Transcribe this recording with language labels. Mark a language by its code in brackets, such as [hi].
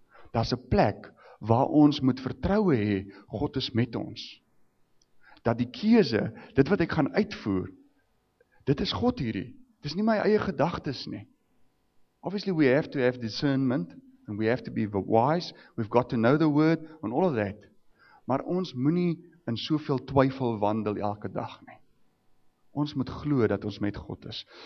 [af] Daar's 'n plek waar ons moet vertroue hê, God is met ons. Dat die keuse, dit wat ek gaan uitvoer, dit is God hierdie. Dis nie my eie gedagtes nie. [en] Obviously we have to have discernment and we have to be wise, we've got to know the word and all of that. [af] Maar ons moenie in soveel twyfel wandel elke dag nie. Ons moet glo dat ons met God is.